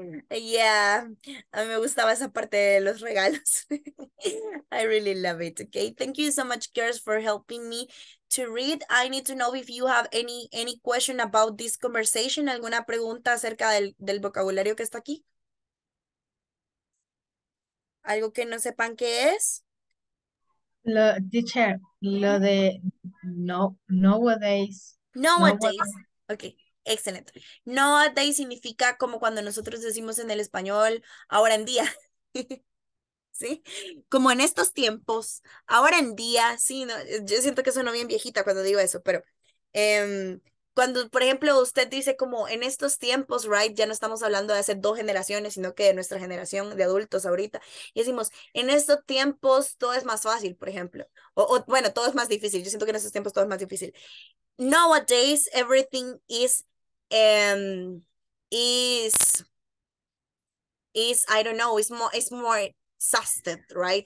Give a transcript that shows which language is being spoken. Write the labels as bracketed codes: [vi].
[es] Yeah, a mí me gustaba esa parte de los regalos. [en] I really love it. Okay, thank you so much, girls, for helping me to read. I need to know if you have any question about this conversation. [es] ¿Alguna pregunta acerca del vocabulario que está aquí? ¿Algo que no sepan qué es? Lo de nowadays. [en] Nowadays. Okay. Excelente. [es] Nowadays significa como cuando nosotros decimos en el español, ahora en día. ¿Sí? Como en estos tiempos, ahora en día. Sí, no, yo siento que sueno bien viejita cuando digo eso, pero cuando, por ejemplo, usted dice como en estos tiempos, right, ya no estamos hablando de hace dos generaciones, sino que de nuestra generación de adultos ahorita, y decimos, en estos tiempos todo es más fácil, por ejemplo. O bueno, todo es más difícil. Yo siento que en estos tiempos todo es más difícil. [en] Nowadays, everything is I don't know, it's more exhausted, right?